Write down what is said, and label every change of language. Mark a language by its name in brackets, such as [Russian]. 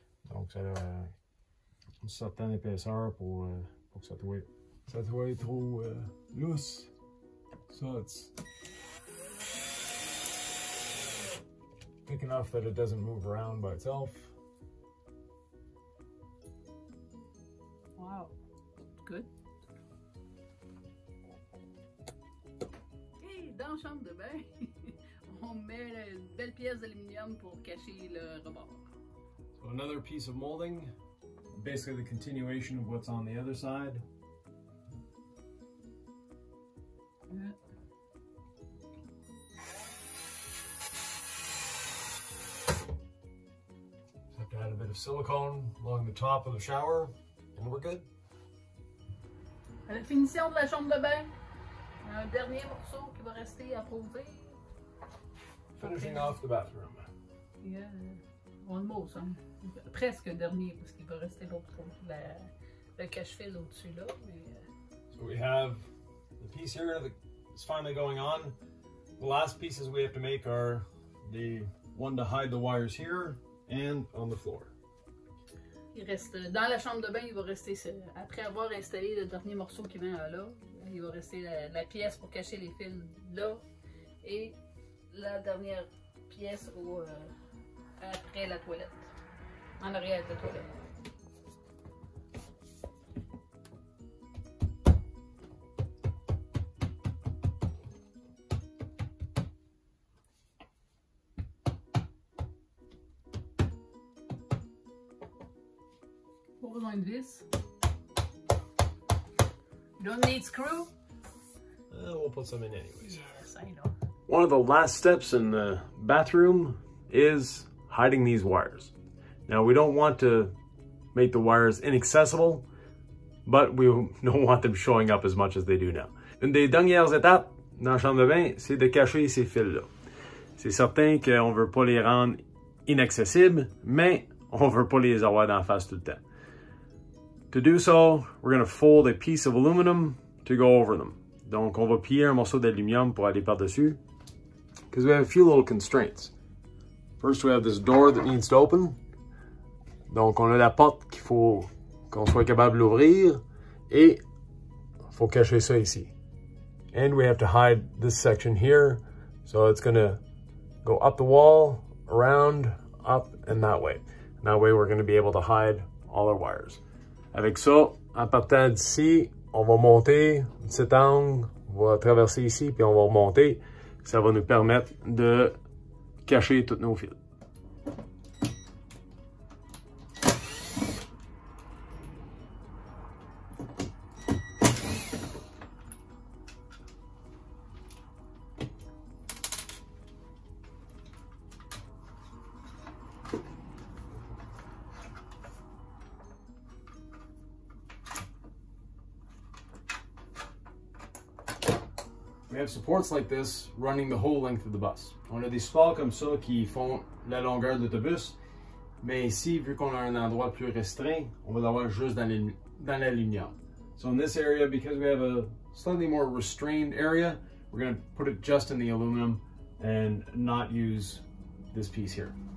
[French] Donc ça a une certaine épaisseur pour que ça doit être trop lousse. [English] So it's thick enough that it doesn't move around by itself. Wow, good. [French] Hey, dans la chambre de bain, on met une belle pièce d'aluminium pour cacher le rebord. [English] So another piece of molding, basically the continuation of what's on the other side. Add a bit of silicone along the top of the shower, and we're good. [French] À la finition de la chambre de bain, un dernier morceau qui va rester à poser. [English] Finishing off the bathroom. Yeah, one more, hein. [French] Presque dernier parce qu'il va rester l'autre, le cache-fil au-dessus là. [English] So we have the piece here that is finally going on. The last pieces we have to make are the one to hide the wires here. And on the floor. [French] Il reste dans la chambre de bain, il va rester après avoir installé le dernier morceau qui vient là, il va rester la pièce pour cacher les fils là et la dernière pièce après la toilette. En arrière de la toilette. [English] We'll put some in anyways. Yes, I know. One of the last steps in the bathroom is hiding these wires. Now, we don't want to make the wires inaccessible, but we don't want them showing up as much as they do now. [French] Une des dernières étapes dans la chambre de bain, c'est de cacher ces fils-là. C'est certain qu'on veut pas les rendre inaccessibles, mais on veut pas les avoir dans la face tout le temps. [English] To do so, we're going to fold a piece of aluminum to go over them. [French] Donc, on va plier un morceau d'aluminium pour aller par-dessus. [English] Because we have a few little constraints. First, we have this door that needs to open. [French] Donc, on a la porte qu'il faut qu'on soit capable d'ouvrir. Et, il faut cacher ça ici. [English] And we have to hide this section here. So, it's going to go up the wall, around, up, and that way. And that way, we're going to be able to hide all our wires. [French] Avec ça, en partant d'ici, on va monter cet angle, on va traverser ici, puis on va remonter. Ça va nous permettre de cacher tous nos fils. [English] have supports like this running the whole length of the bus. [French] On a des supports comme ça qui font la longueur de l'autobus, mais ici, vu qu'on a un endroit plus restreint, on va l'avoir juste dans la lumière. [English] So in this area, because we have a slightly more restrained area, we're going to put it just in the aluminum and not use this piece here.